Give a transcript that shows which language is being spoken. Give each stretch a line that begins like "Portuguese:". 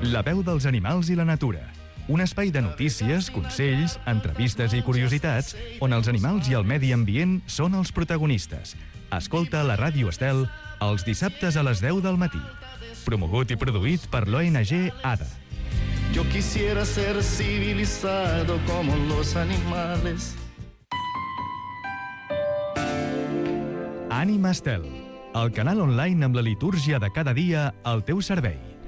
Catalan: La veu dels animals i la natura. Un espai de notícies, consells, entrevistes i curiositats on els animals i el medi ambient són els protagonistes. Escolta la Ràdio Estel els dissabtes a les 10 del matí. Promogut i produït per l'ONG ADA.
Spanish: Yo quisiera ser civilizado como los animales.
Catalan: Ànima Estel, el canal online amb la litúrgia de cada dia al teu servei.